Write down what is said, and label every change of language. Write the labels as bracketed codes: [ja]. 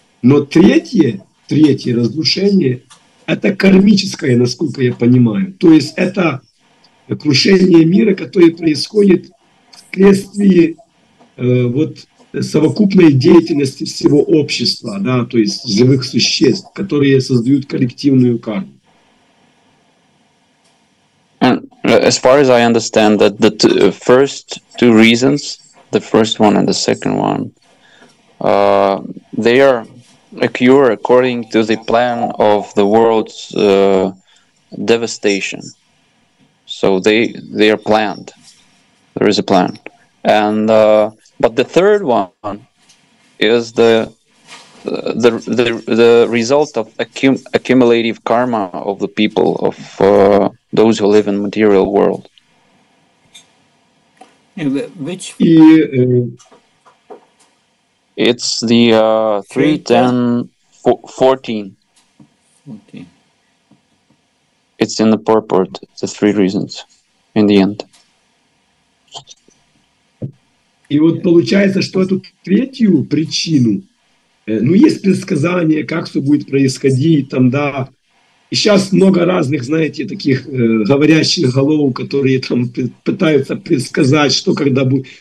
[ru] Но третье разрушение – это кармическое, насколько я понимаю. То есть это крушение мира, которое происходит вследствие вот совокупной деятельности всего общества, да, то есть живых существ, которые создают коллективную карму. [en] And as far as I understand, that the first two reasons, the first one and the second one, they are a cure according to the plan of the world's devastation. So they are planned. There is a plan. And but the third one is the result of accumulative karma of the people of those who live in material world. Which it's the 3, 10, 14. It's in the purport, the three reasons in the end. [ru] И вот получается, что эту третью причину, ну, есть предсказание, как все будет происходить, там, да. И сейчас много разных, знаете, таких говорящих голов, которые там пытаются предсказать, что когда будет.